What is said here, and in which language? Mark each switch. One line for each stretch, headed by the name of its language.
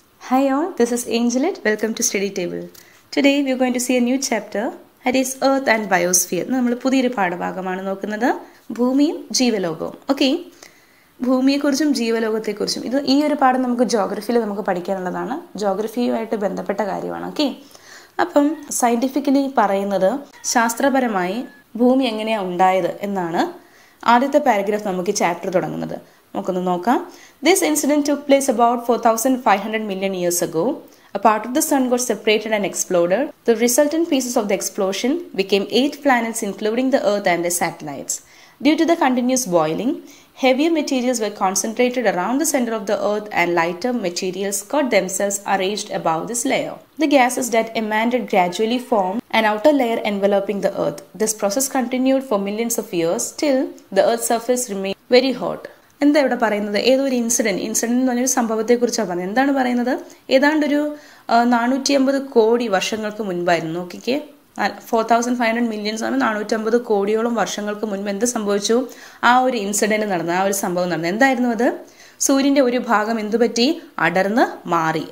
English: Hi all, this is Angelette. Welcome to Study Table. Today we are going to see a new chapter, that is Earth and Biosphere.
Malayalam: നമ്മൾ പുതിയൊരു പാഠഭാഗമാണ് നോക്കുന്നത്, ഭൂമിയും ജീവലോകവും. Okay, ഭൂമിയെക്കുറിച്ചും ജീവലോകത്തെക്കുറിച്ചും ഇത് ഈ ഒരു പാഠം നമുക്ക് ജോഗ്രഫിയിൽ നമുക്ക് പഠിക്കാനുള്ളതാണ്. ജോഗ്രഫിയുമായിട്ട് ബന്ധപ്പെട്ട കാര്യമാണ്. ഓക്കെ, അപ്പം സയൻറ്റിഫിക്കലി പറയുന്നത് ശാസ്ത്രപരമായി ഭൂമി എങ്ങനെയാണ് ഉണ്ടായത് എന്നാണ് ആദ്യത്തെ പാരഗ്രാഫ് നമുക്ക് ചാപ്റ്റർ തുടങ്ങുന്നത്. നമുക്കൊന്ന് നോക്കാം.
English: This incident took place about 4,500 million years ago. A part of the sun got separated and exploded. The resultant pieces of the explosion became 8 planets, including the earth and the satellites. Due to the continuous boiling, heavier materials were concentrated around the centre of the earth and lighter materials got themselves arranged about this layer. The gases that emanated gradually form an outer layer enveloping the earth. This process continued for millions of years till the earth's surface remained very hot.
Malayalam: എന്താ ഇവിടെ പറയുന്നത്? ഏതോ ഒരു incident, incident എന്ന് പറഞ്ഞൊരു സംഭവത്തെ കുറിച്ചാണ് പറഞ്ഞത്. എന്താണ് പറയുന്നത്? ഏതാണ്ട് ഒരു 450 കോടി വർഷങ്ങൾക്ക് മുൻപായിരുന്നു. നോക്കിക്കേ, 4,500 മില്യൺസ് ആണ്, 450 കോടിയോളം വർഷങ്ങൾക്ക് മുൻപ് എന്ത് സംഭവിച്ചു? ആ ഒരു ഇൻസിഡന്റ് നടന്നു, ആ ഒരു സംഭവം നടന്നു. എന്തായിരുന്നു അത്? സൂര്യന്റെ ഒരു ഭാഗം എന്തുപറ്റി? അടർന്ന് മാറി.